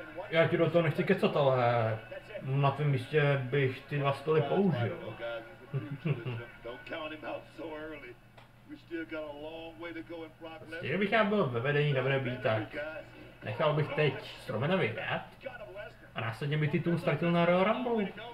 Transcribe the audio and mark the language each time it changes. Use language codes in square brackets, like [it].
[cs] Já ti do toho nechci kecat, ale na tvém místě bych ty dva stoly použil. [en] Don't count him out so early. We still got a long way to go in Brock Lesnar. [cs] Kdyby já byl ve vedení WWE, tak nechal bych teď Stromana vyhrát a následně by titul ztratil na Royal Rumble.